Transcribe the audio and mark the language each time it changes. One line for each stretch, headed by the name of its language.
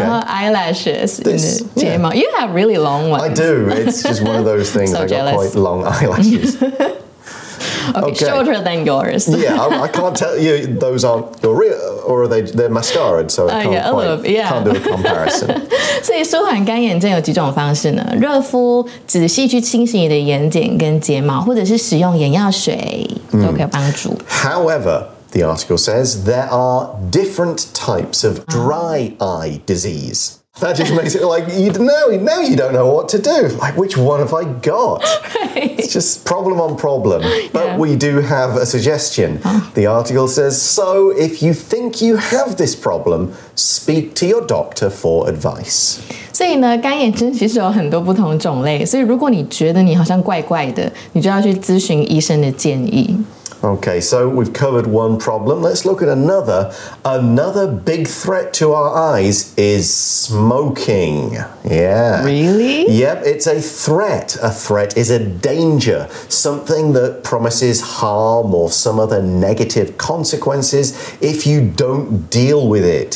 English: 然后 eyelashes. This, yeah. You have really long ones. I do. It's just one of those things. So jealous. I got quite long eyelashes. Okay. Shorter than yours. Yeah, I can't tell you those aren't your real, or are they're mascaraed, so can't do a comparison.
Chinese: 所以舒缓干眼症有几种方式呢？热敷，仔细去清洗你的眼睑跟睫毛，或者是使用眼药水都可以帮助。
English: However, the article says there are different types of dry eye disease. That just makes it like, now you don't know what to do. Like, which one have I got? Right. It's just problem on problem. But we do have a suggestion. The article says, so if you think you have this problem, speak to your doctor for advice.
Chinese: 所以呢，干眼症其实有很多不同种类。所以如果你觉得你好像怪怪的，你就要去咨询医生的建议。
English: Okay, so we've covered one problem. Let's look at another. Another big threat to our eyes is smoking. Yeah. Really? Yep, it's a threat. A threat is a danger. Something that promises harm or some other negative consequences if you don't deal with it.